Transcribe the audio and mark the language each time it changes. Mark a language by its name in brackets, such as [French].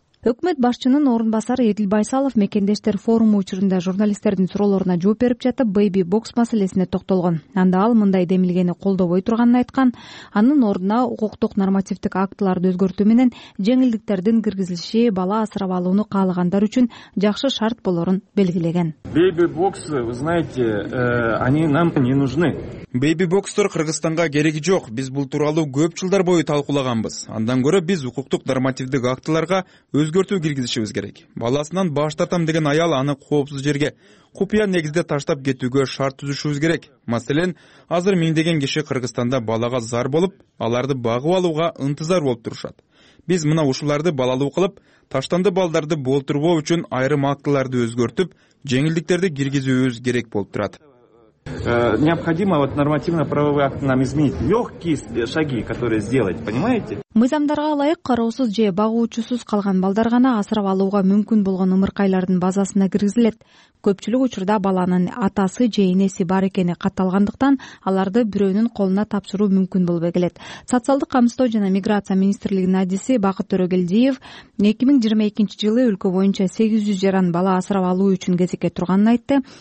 [Kyrgyz] Өкмөт башчынын орун басары Эдил Байсалов мекендештер форуму учурунда журналисттердин суроолоруна жооп берип жатып, бэйби-бокс маселесине токтолгон. Анда ал мындай демилгени колдобой турганын айткан, анын ордуна укуктук нормативдик актыларды өзгөртүү менен жеңилдиктердин киргизилиши бала асырап алууну каалагандар үчүн жакшы шарт болорун белгилеген. [Russian] Бэйби-боксы, вы знаете, они нам не нужны. [Kyrgyz] Бэйби бокстор Кыргызстанга кереги жок. Биз бул тууралуу көп жылдар бою талкуулаганбыз. Андан көрө биз укуктук нормативдик актыларга өзгөртүү киргизишибиз керек. Баласынан баш тартам деген аял аны коопсуз жерге купия негизде таштап кетүүгө шарт түзүшүбүз керек. Маселен, азыр миңдеген киши Кыргызстанда балага зар болуп, аларды багып алууга ынтызар болуп турушат. Биз мына ушуларды балалуу кылып, таштанды балдарды болтурбоо үчүн айрым актыларды өзгөртүп, жеңилдиктерди киргизүүбүз керек болуп турат. [Russian] Необходимо вот нормативно-правовые акты нам изменить. Легкие шаги, которые сделать, понимаете? [Kyrgyz] Мыйзамдарга ылайык кароосуз же багуучусуз калган балдар гана асырап алууга мүмкүн болгон ымыркайлардын базасына киргизилет. Көпчүлүк учурда баланын атасы же энеси бар экени катталгандыктан аларды бирөөнүн колуна тапшыруу мүмкүн болбой келет. Социалдык камсыздоо жана миграция министрлигинин адиси Бакыт Төрөгелдиев 2022 жылы өлкө боюнча 800 жаран бала асырап алуу үчүн кезекке турганын айтты.